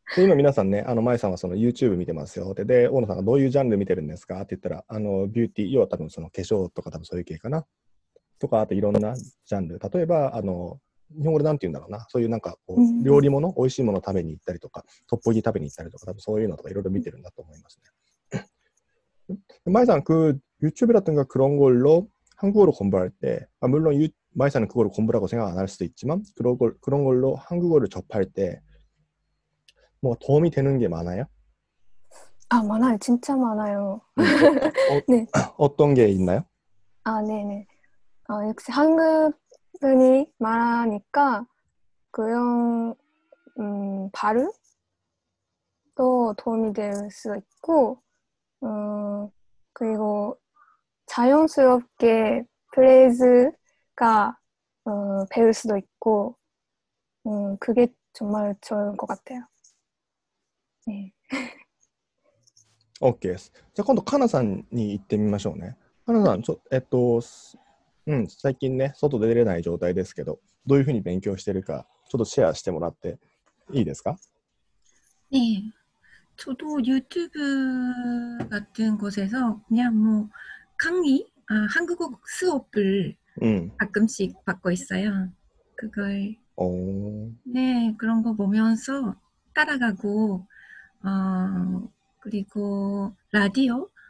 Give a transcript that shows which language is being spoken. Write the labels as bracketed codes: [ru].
[ko] 지금 [ja] 皆さんね、 まえさんは YouTube 見てますよ。で、 大野さんが どういうジャンル 見てるんですか? って言ったら、 ビューティー 要は多分 その化粧とか 多分 そういう系かな。とか、 あといろんな ジャンル。例えば、 日本語で何て言うんだろうな。そういうなんか料理物、 美味しいもの 食べに行ったりとか、 トッポギ 食べに行ったりとか、 多分 そういうのとか いろいろ 見てるんだと思いますね。 [ko] まえさん、 그 유튜브라든가 그 그런 걸로 한국어를 공부할 때, 아 물론 마이사는 그걸 공부라고 생각 안 할 수도 있지만 그런 걸로 한국어를 접할 때 뭐 도움이 되는 게 많아요? 아 많아요, 진짜 많아요. 네. 어떤 게 있나요? 아 네네. 아 역시 한국분이 말하니까 그런 발음도 도움이 될 수 있고, 그리고 자연스럽게 플레이즈가 배울 수도 있고, 그게 정말 좋은 것 같아요. 네. 오케이. [ja] 자, 今度 카나さんに 行ってみましょうね.카나さん, 最近ね, 外出れない状態ですけど, どういうふうに勉強してるか, ちょっとシェアしてもらっていいですか? [ko] 네. 저도 유튜브 같은 곳에서 그냥 뭐 강의? 아, 한국어 수업을 가끔씩 받고 있어요. 그걸 오. 네, 그런 거 보면서 따라가고 그리고 라디오?